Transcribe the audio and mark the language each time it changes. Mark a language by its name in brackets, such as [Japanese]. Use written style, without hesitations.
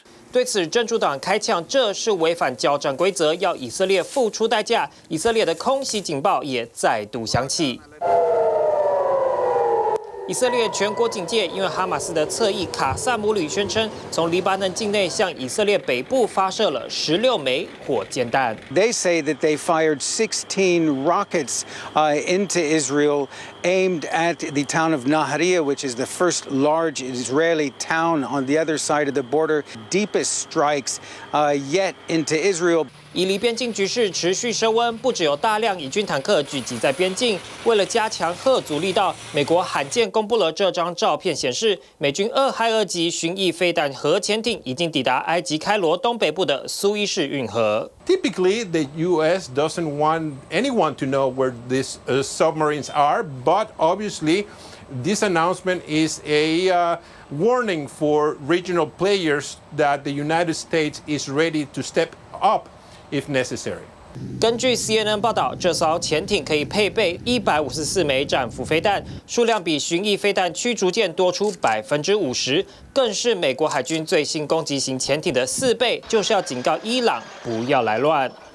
[Chinese] 对此，真主党开枪，这是违反交战规则，要以色列付出代价。以色列的空袭警报也再度响起。以色列全国警戒，因为哈马斯的侧翼卡萨姆旅宣称，从黎巴嫩境内向以色列北部发射了16枚火箭弹。 [English] They say that they fired 16 rockets into Israel, aimed at the town of Nahariya, which is the first large Israeli town on the other side of the border. Deepest strikes yet into Israel. [Chinese] 以黎边境局势持续升温，不只有大量以军坦克聚集在边境，为了加强吓阻力道，美国罕见公布了这张照片，显示美军俄亥俄级巡弋飞弹核潜艇已经抵达埃及开罗东北部的苏伊士运河。 [English] Typically, the U.S. doesn't want anyone to know where these submarines are, but obviously, this announcement is a warning for regional players that the United States is ready to step up. If necessary. [Chinese] 根据 CNN 报道，这艘潜艇可以配备154枚战斧飞弹，数量比巡弋飞弹驱逐舰多出 50%， 更是美国海军最新攻击型潜艇的四倍，就是要警告伊朗不要来乱。